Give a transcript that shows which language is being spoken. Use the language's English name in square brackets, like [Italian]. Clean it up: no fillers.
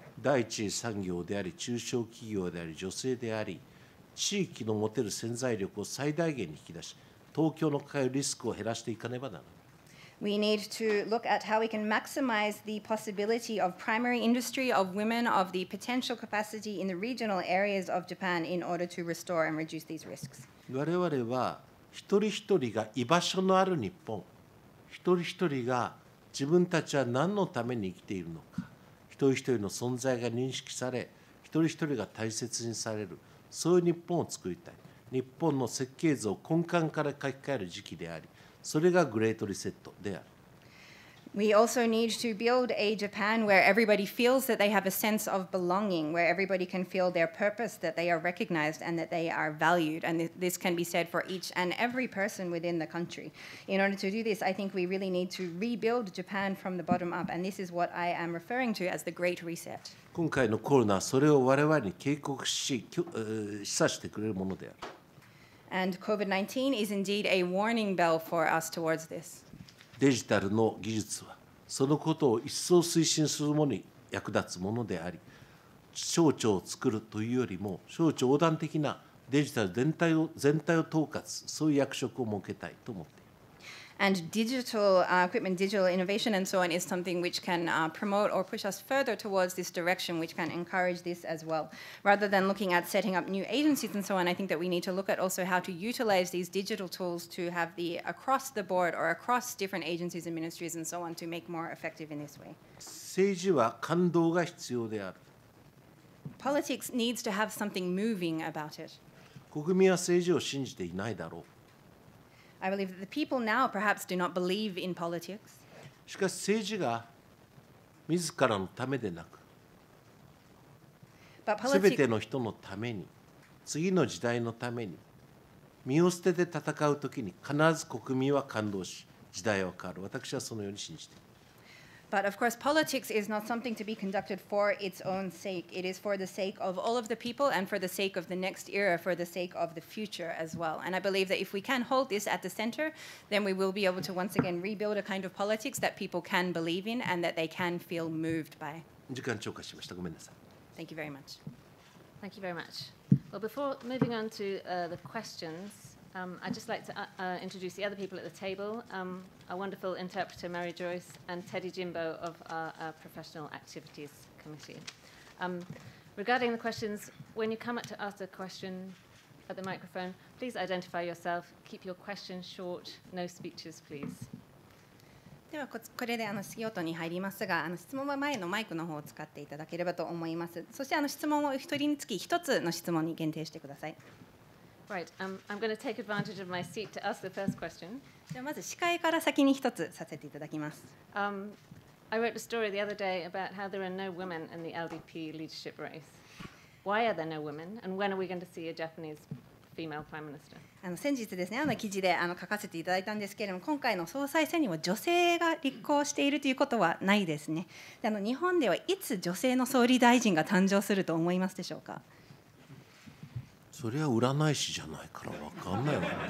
[Japanese] 第一産業であり、中小企業であり、女性であり、地域の持てる潜在力を最大限に引き出し、東京の抱えるリスクを減らしていかねばならない。 [English] We need to look at how we can maximize the possibility of primary industry, of women, of the potential capacity in the regional areas of Japan in order to restore and reduce these risks. [Japanese] 我々は一人一人が居場所のある日本、一人一人が自分たちは何のために生きているのか、一人一人の存在が認識され、一人一人が大切にされる、そういう日本を作りたい。日本の設計図を根幹から書き換える時期であり、それがグレートリセットである。 [English] We also need to build a Japan where everybody feels that they have a sense of belonging, where everybody can feel their purpose, that they are recognized and that they are valued. And this can be said for each and every person within the country. In order to do this, I think we really need to rebuild Japan from the bottom up. And this is what I am referring to as the Great Reset. [Japanese] 今回のコロナはそれを我々に警告し、示唆してくれるものである。 [English] And COVID-19 is indeed a warning bell for us towards this. [Japanese] デジタルの技術はそのことを一層推進するものに役立つものであり、省庁を作るというよりも省庁横断的なデジタル全体を統括、そういう役職を設けたいと思っている。 [English] And digital equipment, digital innovation and so on is something which can promote or push us further towards this direction, which can encourage this as well. Rather than looking at setting up new agencies and so on, I think that we need to look at also how to utilize these digital tools to have the across the board or across different agencies and ministries and so on to make more effective in this way. [Japanese] 政治は感動が必要である。 [English] Politics needs to have something moving about it. [Japanese] 国民は政治を信じていないだろう。 [English] I believe that the people now perhaps do not believe in politics. [Japanese] しかし政治が自らのためでなく、すべての人のために、次の時代のために、身を捨てて戦うときに必ず国民は感動し、時代は変わる。私はそのように信じている。 [English] But of course, politics is not something to be conducted for its own sake. It is for the sake of all of the people and for the sake of the next era, for the sake of the future as well. And I believe that if we can hold this at the center, then we will be able to once again rebuild a kind of politics that people can believe in and that they can feel moved by. 時間超過しました。ごめんなさい。 Thank you very much. Thank you very much. Well, before moving on to the questions,I'd just like to introduce the other people at the table, our wonderful interpreter Mary Joyce and Teddy Jimbo of our Professional Activities Committee. Regarding the questions, when you come up to ask a question at the microphone, please identify yourself, keep your question short, no speeches, please. [Japanese] ではこれで質疑応答に入りますが、質問は前のマイクの方を使っていただければと思います。そして質問を一人につき一つの質問に限定してください。 [English] Right. I'm going to take advantage of my seat to ask the first question. [Japanese] じゃあまず司会から先に一つさせていただきます。 [English] I wrote a story the other day about how there are no women in the LDP leadership race. Why are there no women? And when are we going to see a Japanese female prime minister? [Japanese] 先日ですね、記事で書かせていただいたんですけれども、今回の総裁選にも女性が立候補しているということはないですね。で、日本ではいつ女性の総理大臣が誕生すると思いますでしょうか？それは占い師じゃないから分かんないわ。